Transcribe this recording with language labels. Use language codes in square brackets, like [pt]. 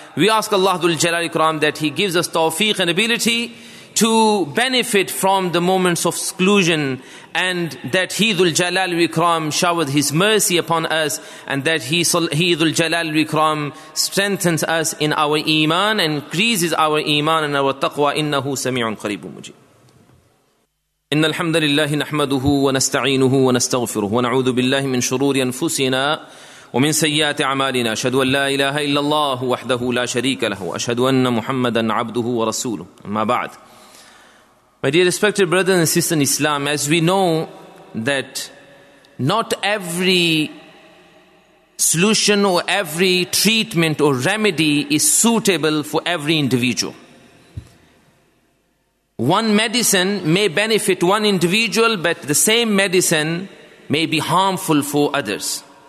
[en] We ask Allah Dhul Jalal wal Ikram that He gives us tawfiq and ability to benefit from the moments of seclusion, and that He Dhul Jalal wal Ikram showered His mercy upon us, and that He Dhul Jalal wal Ikram strengthens us in our iman and increases our iman and our taqwa. [ar] Innahu sami'un qaribun mujib. إن الحمد لله نحمده ونستعينه ونستغفره ونعوذ بالله من شرور أنفسنا ومن سيئات أعمالنا أشهد أن لا إله إلا الله وحده لا شريك له وأشهد أن محمدا عبده ورسوله أما بعد. [en] My dear respected brothers and sisters in Islam, as we know that not every solution or every treatment or remedy is suitable for every individual. One medicine may benefit one individual, but the same medicine may be harmful for others.